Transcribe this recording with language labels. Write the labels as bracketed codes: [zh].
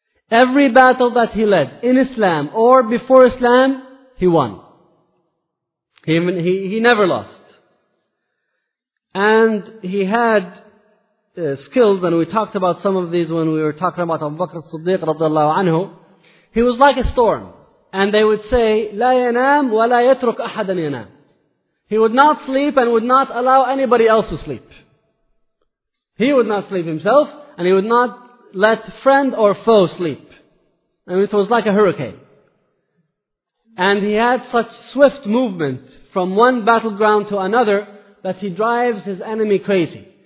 [en] Every battle that he led in Islam or before Islam, he won. He never lost. And he had skills, and we talked about some of these when we were talking about Abu Bakr as-Siddiq radiallahu anhu. He was like a storm. And they would say, [ar] لا ينام ولا يترك أحدا ينام. [en] He would not sleep and would not allow anybody else to sleep. He would not sleep himself, and he would not let friend or foe sleep. And it was like a hurricane. And he had such swift movement from one battleground to another that he drives his enemy crazy.